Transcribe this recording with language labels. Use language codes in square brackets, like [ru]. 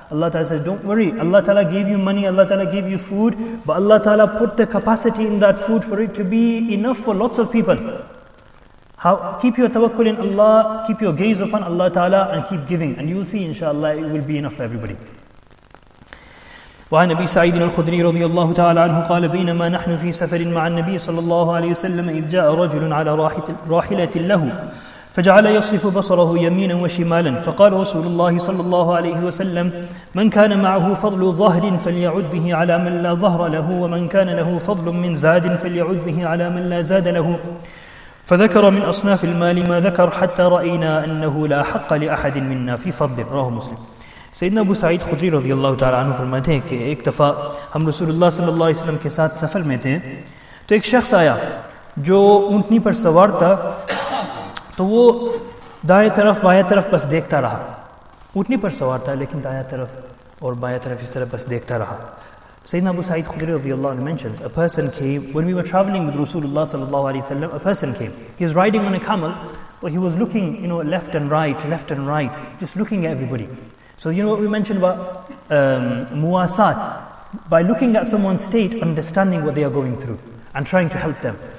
[en] Allah Ta'ala says, don't worry, Allah Ta'ala gave you money, Allah Ta'ala gave you food, but Allah Ta'ala put the capacity in that food for it to be enough for lots of people. How? Keep your tawakkul in Allah, keep your gaze upon Allah Ta'ala, and keep giving, and you will see, inshallah, it will be enough for everybody. [ar] وعن أبي سعيد الخدري رضي الله تعالى عنه قال بينما نحن في سفر مع النبي صلى الله عليه وسلم إذ جاء رجل على راحلة له فجعل يصرف بصره يمينا وشمالا فقال رسول الله صلى الله عليه وسلم من كان معه فضل ظهر فليعد به على من لا ظهر له ومن كان له فضل من زاد فليعد به على من لا زاد له فذكر من أصناف المال ما ذكر حتى رأينا أنه لا حق لأحد منا في فضل رواه مسلم. [ur] سيدنا أبو سعيد خدري رضي الله تعالى عنه فرماتے ہیں کہ ایک دفعہ ہم رسول الله صلى الله عليه وسلم کے ساتھ سفر میں تھے تو ایک شخص آیا جو اونٹنی پر سوار تھا تو وہ دائیں طرف بائیں طرف بس دیکھتا رہا, اونٹنی پر سوار تھا لیکن دائیں طرف اور بائیں طرف اس طرح بس دیکھتا رہا. [en] سیدنا ابو سعید خدری رضی اللہ عنہ mentions a person came when we were traveling with Rasulullah sallallahu alaihi wasallam. A person came, he was riding on a camel, but he was looking, you know, left and right, just looking at everybody. So you know what we mentioned about muwasat, by looking at someone's state, understanding what they are going through and trying to help them.